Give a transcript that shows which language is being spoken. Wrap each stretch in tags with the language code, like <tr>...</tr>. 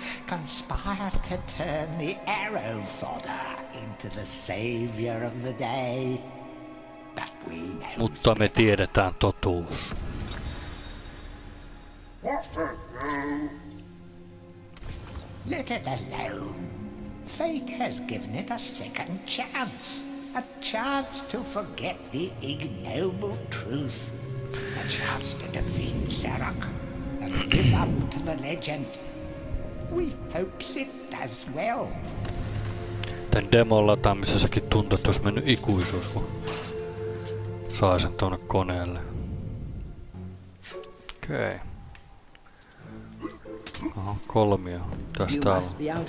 <en>Conspire to turn the arrow fodder into the savior of the day. But we know.</en> <fi>Mutta me tiedetään totuus.</fi> <en>Let it alone. Fate has given it a second chance. A chance to forget the ignoble truth. A chance to defeat Serac and live up to the legend. We hopes it does well.</en> <fi>Tän demon lataamisessakin tuntuu, että olisi mennyt ikuisuus, kun saa sen tuonne koneelle. Okei. Okay. Oho, kolmio. Mitäs täällä on?</fi>